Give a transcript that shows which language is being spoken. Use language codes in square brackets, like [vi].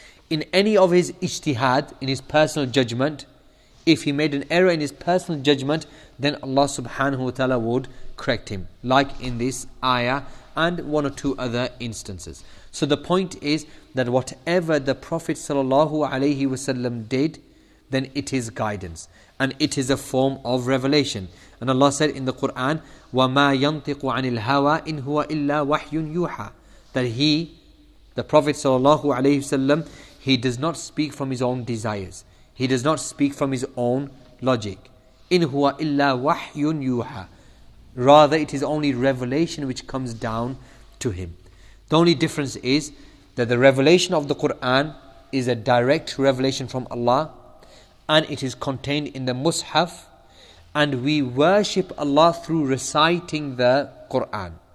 [en] In any of his ijtihad, in his personal judgment, if he made an error in his personal judgment, then Allah subhanahu wa ta'ala would correct him, like in this ayah and one or two other instances. So the point is that whatever the Prophet sallallahu alaihi wasallam did, then it is guidance and it is a form of revelation. And Allah said in the Quran, [ar] وَمَا يَنْطِقُ عَنِ الْهَوَىٰ إِنْ هُوَ إِلَّا وَحْيٌ يُوحَىٰ. [en] That he, the Prophet sallallahu alaihi wasallam, he does not speak from his own desires. He does not speak from his own logic. [ar] إِنْ هُوَ إِلَّا وَحْيٌ يُوحَىٰ. [en] Rather, it is only revelation which comes down to him. The only difference is that the revelation of the Quran is a direct revelation from Allah, and it is contained in the Mus'haf, and we worship Allah through reciting the Quran.